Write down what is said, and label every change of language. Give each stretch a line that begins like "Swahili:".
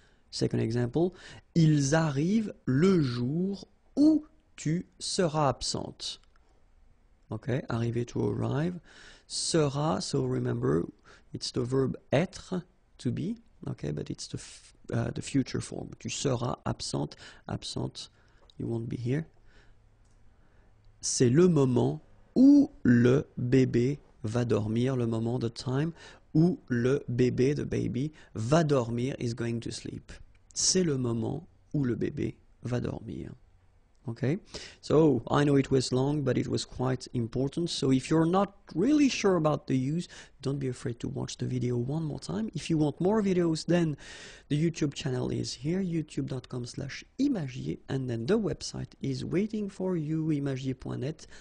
French: Second example, ils arrivent le jour où tu seras absente.
English: Okay, arriver to arrive. Sera, so remember, it's the verb être, to be. Okay, but it's the future form.
French: Tu seras absente.
English: Absente, you won't be here.
French: C'est le moment où le bébé va dormir. Le moment,
English: the time,
French: où le bébé,
English: the baby,
French: va dormir,
English: is going to sleep.
French: C'est le moment où le bébé va dormir.
English: Okay, so I know it was long, but it was quite important. So if you're not really sure about the use, don't be afraid to watch the video one more time. If you want more videos, then the YouTube channel is here, youtube.com/imagier, and then the website is waiting for you, imagier.net.